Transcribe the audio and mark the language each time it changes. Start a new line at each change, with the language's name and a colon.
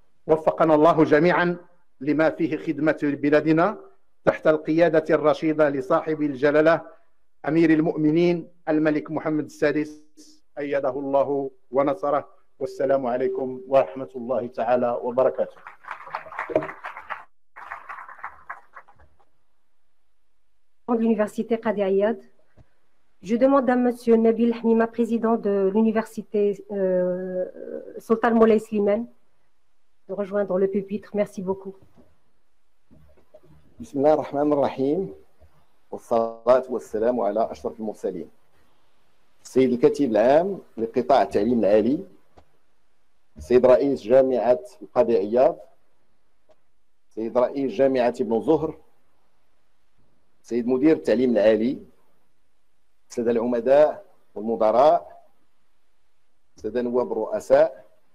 Arabic: وفقنا الله جميعا لما فيه خدمة بلادنا تحت القيادة الرشيدة لصاحب الجلالة أمير المؤمنين الملك محمد السادس أيده الله ونصره، والسلام عليكم ورحمة الله تعالى وبركاته.
French: De l'université Qadi Ayad. Je demande à Monsieur Nabil Hmima, président de l'université Sultan Moulay Slimane, de rejoindre le pupitre. Merci beaucoup.
Arabic: Bismillah ar-Rahman ar-Rahim. والصلاه والسلام على اشرف المرسلين سيد الكاتب العام لقطاع التعليم العالي سيد رئيس جامعه القاضي عياض سيد رئيس جامعه ابن زهر سيد مدير التعليم العالي الساده العمداء والمدراء الساده النواب الرؤساء